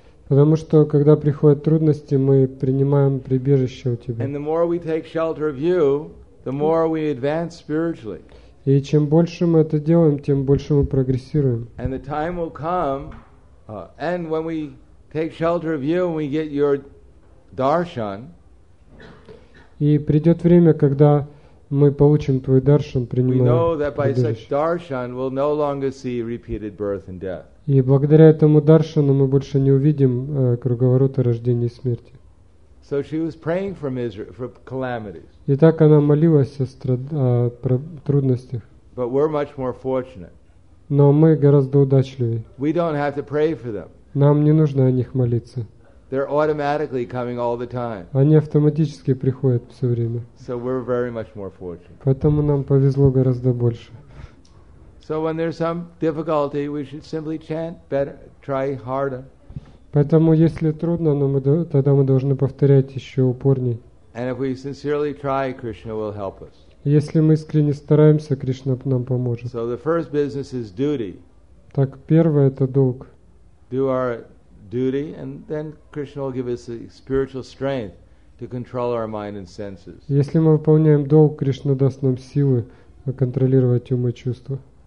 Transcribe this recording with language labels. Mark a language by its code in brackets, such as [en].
[ru] Потому что когда приходят трудности, мы принимаем прибежище у тебя. [en] And the more we take shelter of you, the more we advance spiritually. [ru] И чем больше мы это делаем, тем больше мы прогрессируем. [en] And the time will come, and when we take shelter of you and we get your darshan, [ru] и придет время, когда мы получим твой даршан, принимаем. [en] We know that by such darshan we'll no longer see repeated birth and death. [ru] И благодаря этому даршану мы больше не увидим круговорота рождения и смерти. [en] So she was praying for misery, for calamities. [ru] И так она молилась о трудностях. [en] But we're much more fortunate. [ru] Но мы гораздо удачливее. [en] We don't have to pray for them. [ru] Нам не нужно о них молиться. [en] They're automatically coming all the time. [ru] Они автоматически приходят все время. [en] So we're very much more fortunate. [ru] Поэтому нам повезло гораздо больше. [en] So when there's some difficulty, we should simply chant better, try harder. [ru] Поэтому если трудно, тогда мы должны повторять еще упорней. [en] And if we sincerely try, Krishna will help us. [ru] Если мы искренне стараемся, Кришна нам поможет. [en] So the first business is duty. [ru] Так первое это долг. [en] Do our duty, and then Krishna will give us the spiritual strength to control our mind and senses. [ru] Если мы выполняем долг, Кришна даст нам силы контролировать ум и чувства.